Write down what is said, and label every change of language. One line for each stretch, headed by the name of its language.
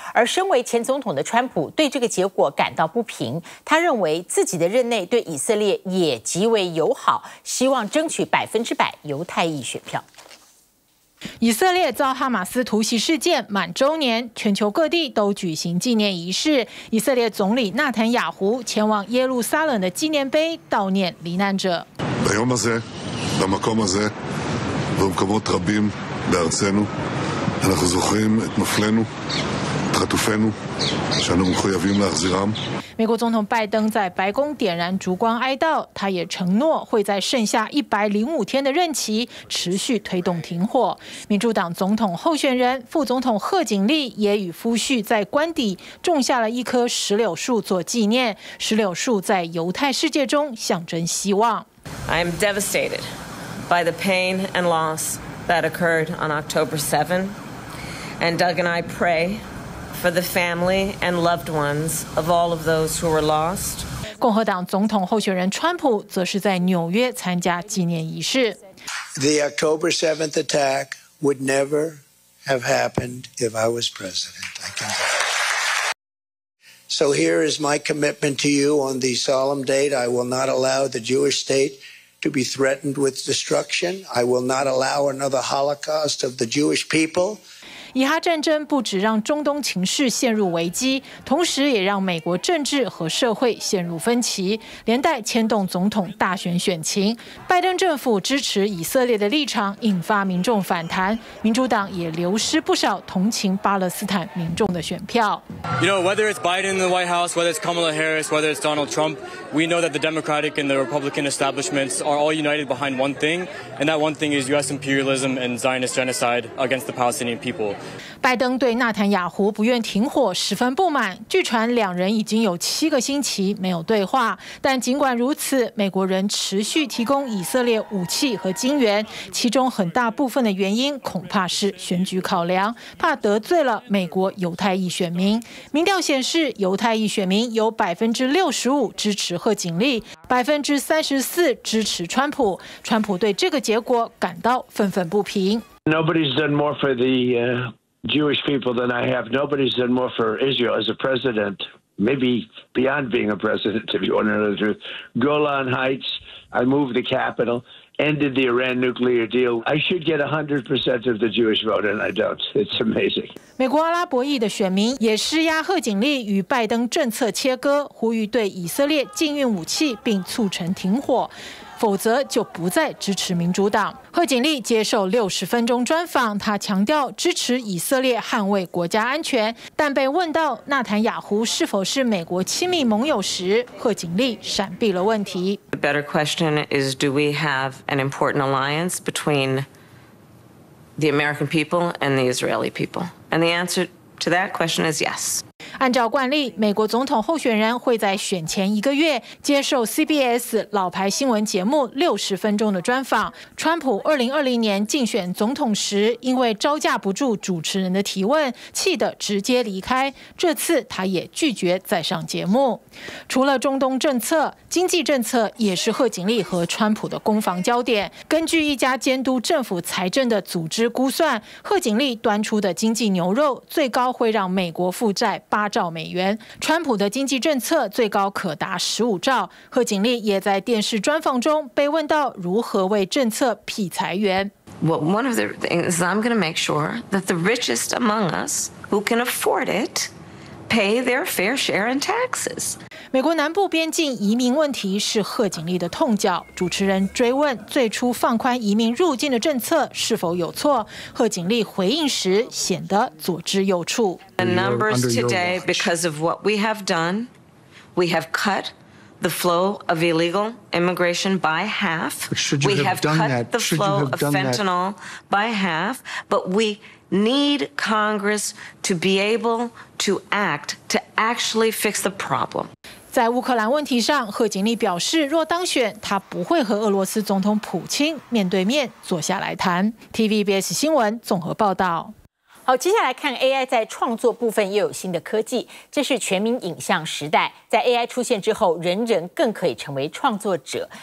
Chinese: 而身为前总统的川普对这个结果感到不平，他认为自己的任内对以色列也极为友好，希望争取100%犹太裔选票。以色列遭哈马斯突袭事件满周年，全球各地都举行纪念仪式。以色列总理纳坦雅胡前往耶路撒冷的纪念碑悼念罹难者。
Hebrew: ביום הזה, במקום הזה, במקומות רבים בארצנו, אנחנו זוכרים את נופלנו, את חטופנו, שאנחנו מחויבים להחזירם.
Chinese: 美国总统拜登在白宫点燃烛光哀悼，他也承诺会在剩下105天的任期持续推动停火。民主党总统候选人副总统贺锦丽也与夫婿在官邸种下了一棵石榴树做纪念，石榴树在犹太世界中象征希望。
English: I am devastated by the pain and loss that occurred on October 7, and Doug and I pray. For the family and loved ones of all of those who were lost.
Chinese: 共和党总统候选人川普则是在纽约参加纪念仪式。
English: The October 7th attack would never have happened if I was president. I can tell you. So here is my commitment to you on the solemn date. I will not allow the Jewish state to be threatened with destruction. I will not allow another Holocaust of the Jewish people.
Chinese: 以哈战争不只让中东情势陷入危机，同时也让美国政治和社会陷入分歧，连带牵动总统大选选情。拜登政府支持以色列的立场引发民众反弹，民主党也流失不少同情巴勒斯坦民众的选票。
English: You know, whether it's Biden in the White House, whether it's Kamala Harris, whether it's Donald Trump, we know that the Democratic and the Republican establishments are all united behind one thing, and that one thing is U.S. imperialism and Zionist genocide against the Palestinian people.
Chinese: 拜登对纳坦雅胡不愿停火十分不满，据传两人已经有七个星期没有对话。但尽管如此，美国人持续提供以色列武器和金援，其中很大部分的原因恐怕是选举考量，怕得罪了美国犹太裔选民。民调显示，犹太裔选民有65%支持贺锦丽，34%支持川普。川普对这个结果感到愤愤不平。
English: Nobody's done more for the Jewish people than I have. Nobody's done more for Israel as a president. Maybe beyond being a president, if you want to know the truth. Golan Heights, I moved the capital. Ended the Iran nuclear deal. I should get 100% of the Jewish vote, and I don't. It's amazing.
Chinese: 美国阿拉伯裔的选民也施压贺锦丽与拜登政策切割，呼吁对以色列禁运武器，并促成停火。否则就不再支持民主党。贺锦丽接受60分钟专访，她强调支持以色列捍卫国家安全，但被问到纳坦雅胡是否是美国亲密盟友时，贺锦丽闪避了问题。
English: The better question is, do we have an important alliance between the American people and the Israeli people? And the answer to that question is yes.
Chinese: 按照惯例，美国总统候选人会在选前一个月接受 CBS 老牌新闻节目60分钟的专访。川普2020年竞选总统时，因为招架不住主持人的提问，气得直接离开。这次他也拒绝再上节目。除了中东政策，经济政策也是贺锦丽和川普的攻防焦点。根据一家监督政府财政的组织估算，贺锦丽端出的经济牛肉最高会让美国负债8兆美元，川普的经济政策最高可达15兆。贺锦丽也在电视专访中被问到如何为政策辟财源。
English: Well, one of the things is I'm going to make sure that the richest among us who can afford it pay their fair share in taxes.
Chinese: 美国南部边境移民问题是贺锦丽的痛脚。主持人追问最初放宽移民入境的政策是否有错，贺锦丽回应时显得左支右绌。
English: The numbers today, because of what we have done, we have cut the flow of illegal immigration by half. We have cut the flow of fentanyl by half, but we need Congress to be able to act to actually fix the problem.
Chinese: 在乌克兰问题上，贺锦丽表示，若当选，她不会和俄罗斯总统普京面对面坐下来谈。 TVBS 新闻综合报道。好，接下来看 AI 在创作部分又有新的科技，这是全民影像时代。在 AI 出现之后，人人更可以成为创作者。